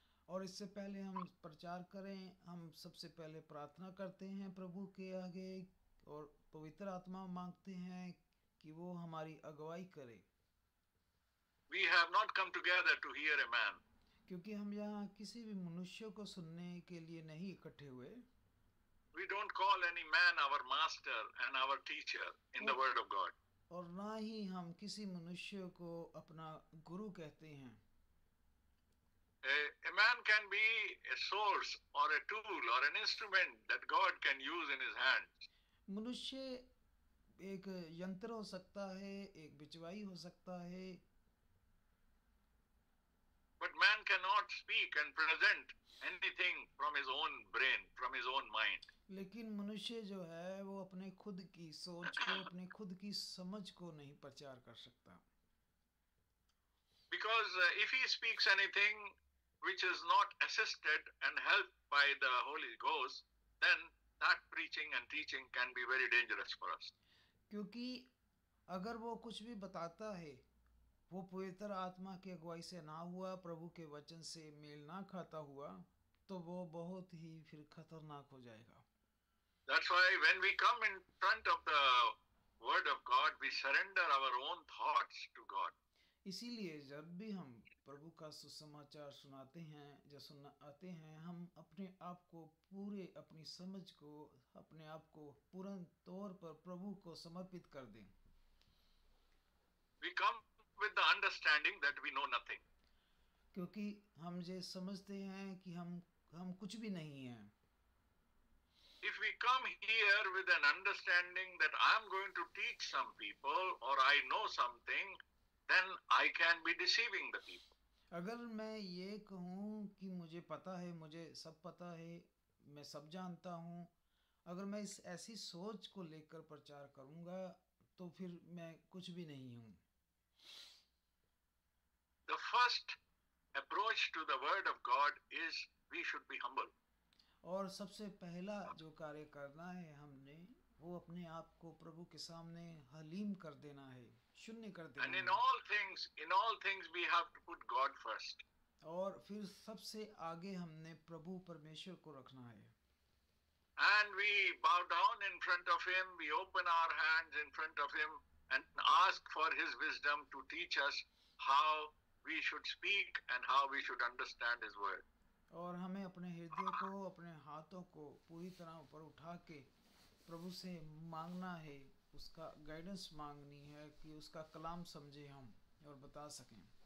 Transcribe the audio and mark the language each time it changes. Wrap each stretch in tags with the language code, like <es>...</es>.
<hi>और इससे पहले हम प्रचार करें, हम सबसे पहले प्रार्थना करते हैं प्रभु के आगे और पवित्र आत्मा मांगते हैं कि वो हमारी अगुवाई करे.</hi> <en>We have not come together to hear a man.</en> <hi>क्योंकि हम यहाँ किसी भी मनुष्य को सुनने के लिए नहीं इकट्ठे हुए.</hi> <en>We don't call any man our master and our teacher in the word of God.</en> <hi>और ना ही हम किसी मनुष्य को अपना गुरु कहते हैं.</hi> <en>A man can be a source or a tool or an instrument that God can use in His hands.</en> <hi>मनुष्य एक यंत्र हो सकता है, एक बिचवाई हो सकता है.</hi> <en>But man cannot speak and present anything from his own brain, from his own mind.</en> <hi>लेकिन मनुष्य जो है वो अपने खुद की सोच को अपने खुद की समझ को नहीं प्रचार कर सकता.</hi> <en>Because if he speaks anything which is not assisted and helped by the Holy Ghost, then that preaching and teaching can be very dangerous for us.</en> <hi>क्योंकि अगर वो कुछ भी बताता है वो पवित्र आत्मा की अगुवाई से ना हुआ प्रभु के वचन से मेल ना खाता हुआ तो वो बहुत ही फिर खतरनाक हो जाएगा.</hi> <en>That's why when we come in front of the word of God, we surrender our own thoughts to God.</en> <hi>इसीलिए जब भी हम प्रभु का सुसमाचार सुनाते हैं या सुनाते हैं हम अपने आप को पूरे अपनी समझ को अपने आप को पूर्ण तौर पर प्रभु को समर्पित कर दें.</hi> <en>We come with the understanding that we know nothing.</en> <hi>क्योंकि हम ये समझते हैं कि हम कुछ भी नहीं हैं.</hi> <en>If we come here with an understanding that I am going to teach some people or I know something, then I can be deceiving the people.</en> <hi>अगर मैं ये कहूँ कि मुझे पता है, मुझे सब पता है, मैं सब जानता हूँ, अगर मैं इस ऐसी सोच को लेकर प्रचार करूँगा, तो फिर मैं कुछ भी नहीं हूँ.</hi> <en>The first approach to the word of God is we should be humble.</en> <hi>और सबसे पहला जो कार्य करना है हमने वो अपने आप को प्रभु के सामने हलीम कर देना है, शून्य कर देना.</hi> <en>And in all things we have to put God first.</en> <hi>और फिर सबसे आगे हमने प्रभु परमेश्वर को रखना है.</hi> <en>And we bow down in front of him, we open our hands in front of him and ask for his wisdom to teach us how we should speak and how we should understand his word.</en> <hi>और हमें अपने हृदय को अपने हाथों को पूरी तरह ऊपर उठा के प्रभु से मांगना है, उसका गाइडेंस मांगनी है कि उसका कलाम समझे हम और बता सकें.</hi>